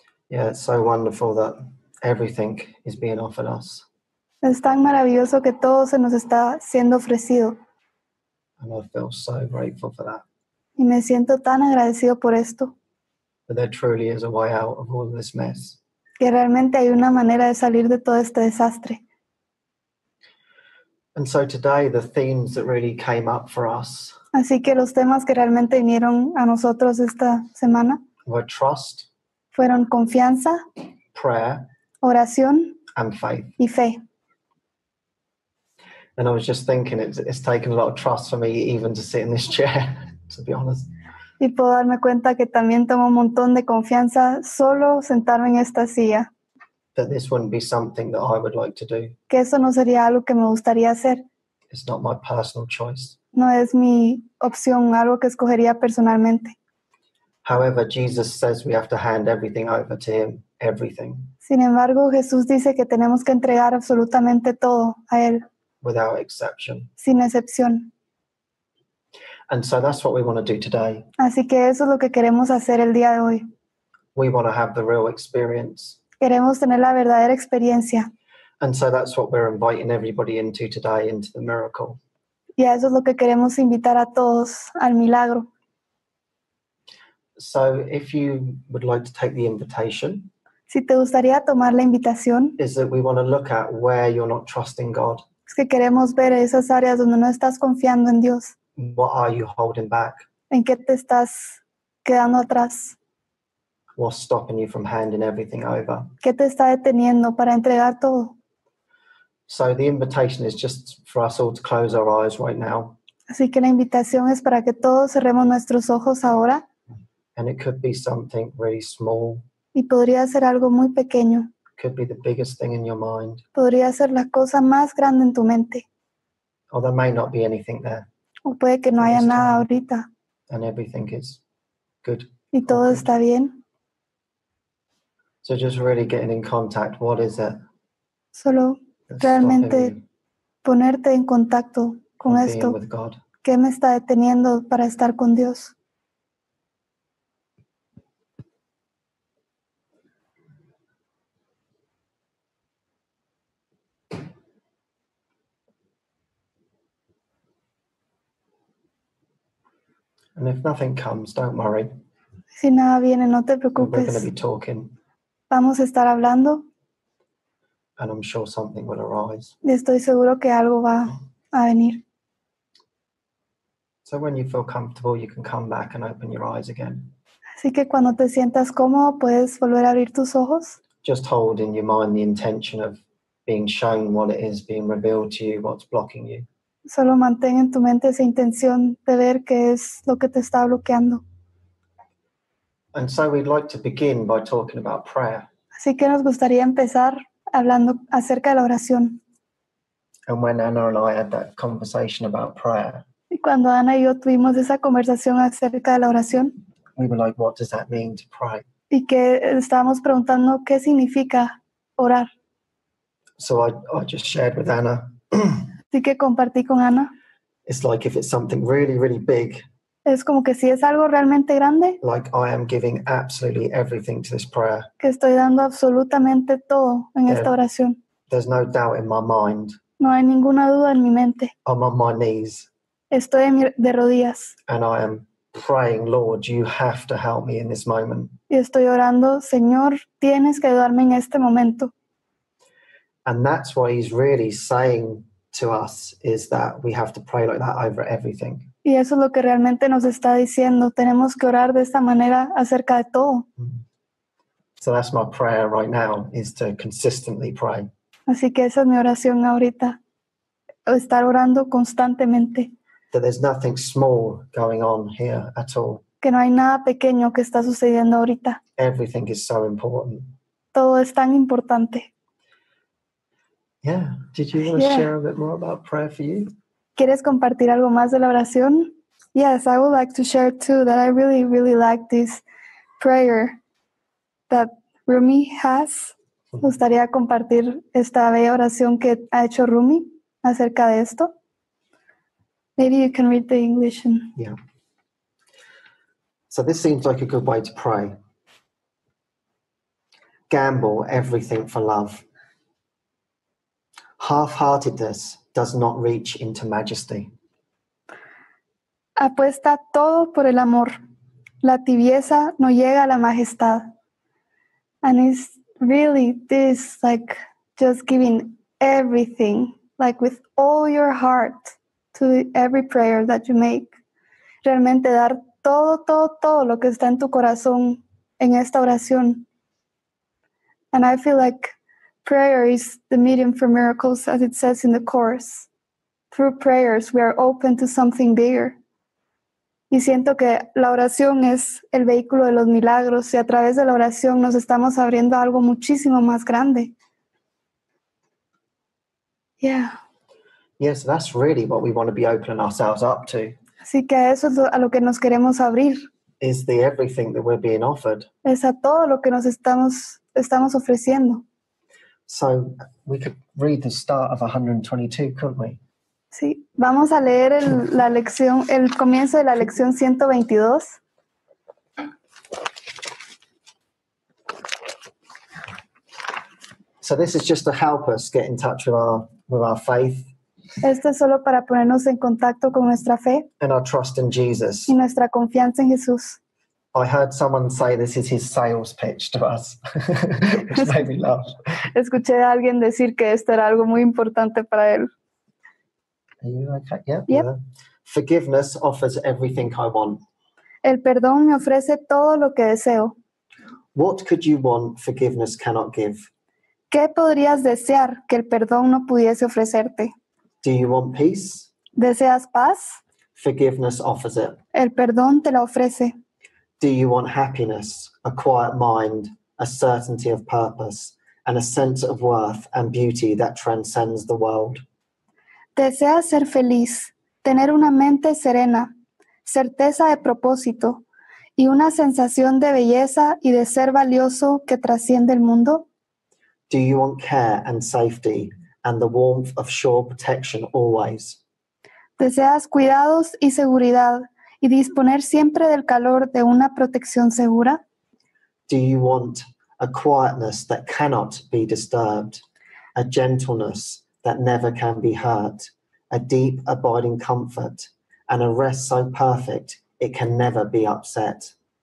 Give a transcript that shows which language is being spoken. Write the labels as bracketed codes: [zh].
[en] Yeah, it's so wonderful that everything is being offered us. [es] Es tan maravilloso que todo se nos está siendo ofrecido. [en] And I feel so grateful for that. [es] Y me siento tan agradecido por esto. [en] But there truly is a way out of all this mess. [es] Que realmente hay una manera de salir de todo este desastre. [en] And so today, the themes that really came up for us. [es] Así que los temas que realmente vinieron a nosotros esta semana. [en] Were trust. [es] Fueron confianza, [en] prayer, [es] oración, [en] and faith. [es] Y fe. [en] And I was just thinking, it's taken a lot of trust for me even to sit in this chair, to be honest. [es] Y puedo darme cuenta que también tomo un montón de confianza solo sentarme en esta silla. [en] That this wouldn't be something that I would like to do. [es] Que eso no sería algo que me gustaría hacer. [en] It's not my personal choice. [es] No es mi opción, algo que escogería personalmente. [en] However, Jesus says we have to hand everything over to him, everything. [es] Sin embargo, Jesús dice que tenemos que entregar absolutamente todo a él. [en] Without exception. [es] Sin excepción. [en] And so that's what we want to do today. [es] Así que eso es lo que queremos hacer el día de hoy. [en] We want to have the real experience. [es] Queremos tener la verdadera experiencia. [en] And so that's what we're inviting everybody into today, into the miracle. [es] Y eso es lo que queremos invitar a todos al milagro. [en] So if you would like to take the invitation, [es] si te gustaría tomar la invitación, [en] is that we want to look at where you're not trusting God. [es] Es que queremos ver esas áreas donde no estás confiando en Dios. [en] What are you holding back? [es] ¿En qué te estás quedando atrás? [en] What's stopping you from handing everything over? [es] ¿Qué te está deteniendo para entregar todo? [en] So the invitation is just for us all to close our eyes right now. [es] Así que la invitación es para que todos cerremos nuestros ojos ahora. [en] And it could be something really small. [es] Y podría ser algo muy pequeño. [en] Could be the biggest thing in your mind. [es] Podría ser la cosa más grande en tu mente. [en] Or there may not be anything there. [es] O puede que no haya nada ahorita. [en] And everything is good. [es] Y todo está bien. [en] So just really getting in contact. What is it? [es] Solo realmente ponerte en contacto con esto. [en] With God. [es] ¿Qué me está deteniendo para estar con Dios? [en] And if nothing comes, don't worry. [es] Si nada viene, no te preocupes. [en] We're going to be talking. [es] Vamos a estar hablando. [en] And I'm sure something will arise. [es] Y estoy seguro que algo va a venir. [en] So when you feel comfortable, you can come back and open your eyes again. [es] Así que cuando te sientas cómodo, puedes volver a abrir tus ojos. [en] Just hold in your mind the intention of being shown what it is, being revealed to you, what's blocking you. [es] Solo mantén en tu mente esa intención de ver qué es lo que te está bloqueando. [en] And so we'd like to begin by talking about prayer. [es] Así que nos gustaría empezar hablando acerca de la oración. [en] And when Anna and I had that conversation about prayer, [es] y cuando Ana y yo tuvimos esa conversación acerca de la oración, [en] we were like, what does that mean to pray? [es] Y que estábamos preguntando qué significa orar. [en] So I just shared with Anna. [es] Así que compartí con Ana. [en] It's like if it's something really, really big. [es] Es como que si es algo realmente grande. [en] Like I am giving absolutely everything to this prayer. [es] Que estoy dando absolutamente todo en esta oración. [en] There's no doubt in my mind. [es] No hay ninguna duda en mi mente. [en] I'm on my knees. [es] Estoy de rodillas. [en] And I am praying, Lord, you have to help me in this moment. [es] Y estoy orando, Señor, tienes que ayudarme en este momento. [en] And that's why he's really saying to us is that we have to pray like that over everything. [es] Y eso es lo que realmente nos está diciendo. Tenemos que orar de esta manera acerca de todo. [en] So that's my prayer right now, is to consistently pray. [es] Así que esa es mi oración ahorita. Estar orando constantemente. [en] that there's nothing small going on here at all. [es] Que no hay nada pequeño que está sucediendo ahorita. [en] Everything is so important. [es] Todo es tan importante. [en] Yeah. Did you want to share a bit more about prayer for you? [es] ¿Quieres compartir algo más de la oración? [en] Yes, I would like to share too that I really, really like this prayer that Rumi has. [es] Me gustaría compartir esta bella oración que ha hecho Rumi acerca de esto. [en] Maybe you can read the English. Yeah. So this seems like a good way to pray. Gamble everything for love. Half-heartedness does not reach into majesty. [es] Apuesta todo por el amor. La tibieza no llega a la majestad. [en] And it's really this, like, just giving everything, like, with all your heart to every prayer that you make. [es] Realmente dar todo, todo, todo lo que está en tu corazón en esta oración. [en] And I feel like prayer is the medium for miracles, as it says in the Course. Through prayers, we are open to something bigger. [es] Y siento que la oración es el vehículo de los milagros, y a través de la oración nos estamos abriendo a algo muchísimo más grande. [en] Yeah. Yes, that's really what we want to be opening ourselves up to. [es] Así que eso es a lo que nos queremos abrir. [en] Is the everything that we're being offered. [es] Es a todo lo que nos estamos ofreciendo. [en] So we could read the start of 122, couldn't we? [es] Sí, vamos a leer el comienzo de la lección 122. [en] So this is just to help us get in touch with our faith. [es] Esto es solo para ponernos en contacto con nuestra fe. [en] And our trust in Jesus. [es] Y nuestra confianza en Jesús. [en] I heard someone say this is his sales pitch to us, which made me laugh. [es] Escuché a alguien decir que esto era algo muy importante para él. [en] Are you okay? Yeah. Yep. Forgiveness offers everything I want. [es] El perdón me ofrece todo lo que deseo. [en] What could you want forgiveness cannot give? [es] ¿Qué podrías desear que el perdón no pudiese ofrecerte? [en] Do you want peace? [es] ¿Deseas paz? [en] Forgiveness offers it. [es] El perdón te la ofrece. [en] Do you want happiness, a quiet mind, a certainty of purpose, and a sense of worth and beauty that transcends the world? [es] ¿Deseas ser feliz, tener una mente serena, certeza de propósito y una sensación de belleza y de ser valioso que trasciende el mundo? [en] Do you want care and safety and the warmth of sure protection always? [es] ¿Deseas cuidados y seguridad y disponer siempre del calor de una protección segura? [en] Do you want a quietness that cannot be disturbed, a gentleness that never can be hurt, a deep abiding comfort, and a rest so perfect it can never be upset?